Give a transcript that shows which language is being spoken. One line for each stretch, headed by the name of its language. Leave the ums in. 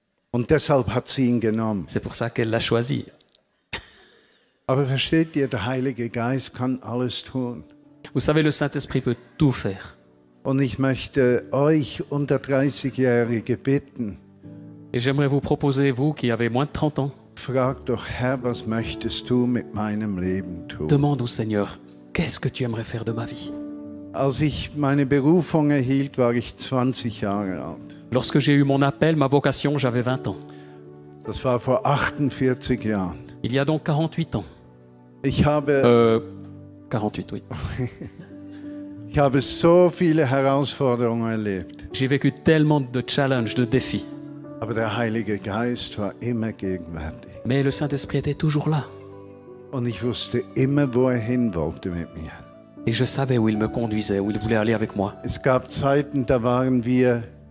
German: Und deshalb hat sie ihn genommen. Aber versteht ihr, der Heilige Geist kann alles tun.
French: Vous savez, le Saint-Esprit peut tout faire.
German: Und ich möchte euch unter 30-Jährige bitten.
French: Et vous proposer, vous 30 ans,
German: Frag doch, Herr, was möchtest du mit meinem Leben tun?
French: Demande au Seigneur, qu'est-ce que tu aimerais faire de ma vie?
German: Als ich meine Berufung erhielt, war ich 20 Jahre alt.
French: Lorsque j'ai eu mon appel, ma vocation,
German: ich 20 Jahre alt. Das war vor 48 Jahren.
French: Il y a donc 48 ans.
German: Ich habe euh,
French: 48 oui.
German: ich habe so viele Herausforderungen erlebt.
French: J'ai vécu tellement de challenges, de défis.
German: Aber der Heilige Geist war immer gegenwärtig.
French: Mais le Saint-Esprit était toujours là.
German: Und ich wusste immer, wo er hin wollte mit mir.
French: Et je savais où il me conduisait, où il voulait aller avec moi.
German: da waren wir